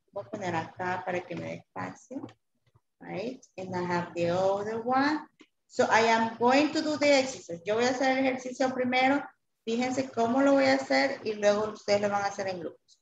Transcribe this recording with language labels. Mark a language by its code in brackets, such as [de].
[es] Voy a poner acá para que me dé espacio. [en] Right? And I have the other one. So I am going to do the exercise. [es] Yo voy a hacer el ejercicio primero. Fíjense cómo lo voy a hacer y luego ustedes lo van a hacer en grupos.